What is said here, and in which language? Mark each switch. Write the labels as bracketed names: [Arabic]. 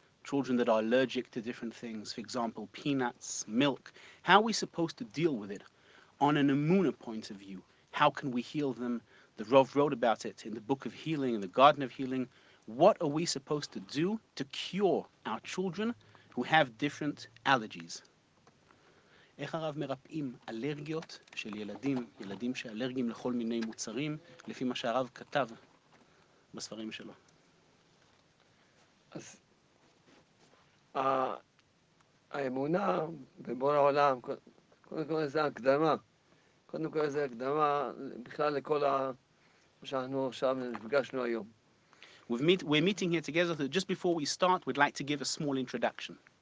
[English] Children that are allergic to different things, for example, peanuts, milk. How are we supposed to deal with it? On an emunah point of view, how can we heal them? The Rav wrote about it in the Book of Healing, in the Garden of Healing. What are we supposed to do to cure our children who have different allergies? [Hebrew] איך הרב מרפאים אלרגיות של ילדים, ילדים שאלרגיים לכל מיני מוצרים, לפי מה שהרב כתב בספרים שלו? אז האמונה בבורא העולם, קודם כל זה הקדמה בכלל לכל ה... [English] We're meeting here together. So just before we start, we'd like to give a small introduction.